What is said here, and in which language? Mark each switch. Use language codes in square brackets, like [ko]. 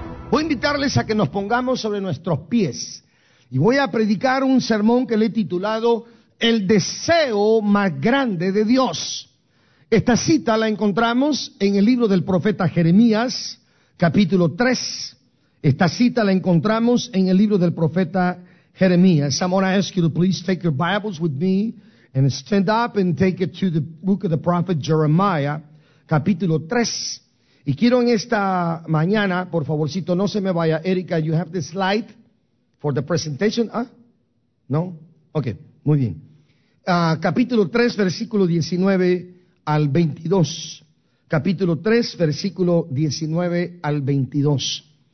[es] Voy a invitarles a que nos pongamos sobre nuestros pies y voy a predicar un sermón que le he titulado El deseo más grande de Dios. Esta cita la encontramos en el libro del profeta Jeremías, capítulo 3. Esta cita la encontramos en el libro del profeta Jeremías. [en] I'm going to ask you to please take your Bibles with me and stand up and take it to the book of the prophet Jeremiah, [es] capítulo 3. Y quiero en esta mañana, por favorcito, no se me vaya, Erika, [en] you have the slide for the presentation, [es] ¿ah? ¿No? Ok, muy bien. Capítulo 3, versículo 19 al 22. Capítulo 3, versículo 19 al 22.